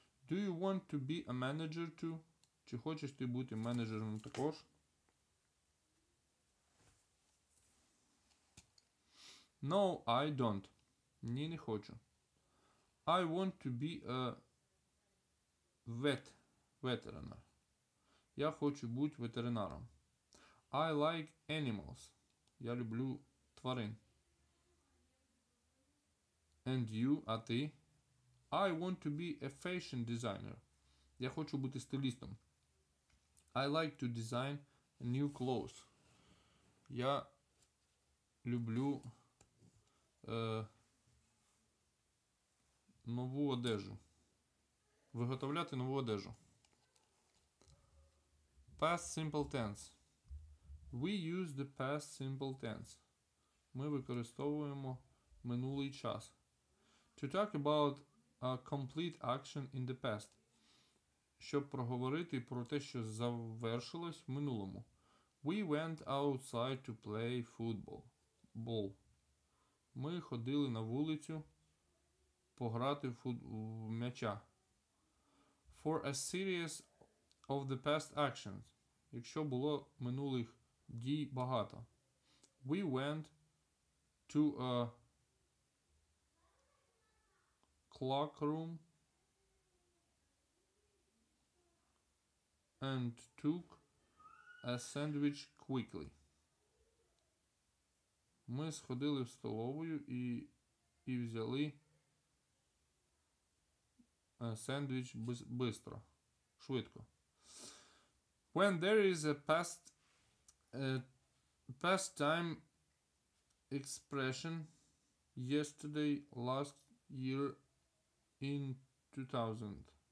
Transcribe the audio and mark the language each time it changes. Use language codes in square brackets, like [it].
[en] Do you want to be a manager too? [uk] Чи хочеш ти бути менеджером також? [en] No, I don't. [uk] Ні, не хочу. [en] I want to be a veterinar. [uk] Я хочу бути ветеринаром. [en] I like animals. [uk] Я люблю тварин. [en] And you, [uk] а ти? [en] I want to be a fashion designer. [uk] Я хочу бути стилістом. [en] I like to design new clothes. [uk] Я люблю нову одежу. Виготовляти нову одежу. [en] Past simple tense. We use the past simple tense. [uk] Ми використовуємо минулий час. [en] To talk about a complete action in the past. [uk] Щоб проговорити про те, що завершилось в минулому. [en] We went outside to play football. Ball. [uk] Ми ходили на вулицю пограти в м'яча. [en] For a series of the past actions. [uk] Якщо було минулих дій багато. [en] We went to a clock room and took a sandwich quickly. [uk] Ми сходили в столовую і взяли сендвіч швидко. Швидко. [en] When there is a past time expression yesterday, last year, in 2000.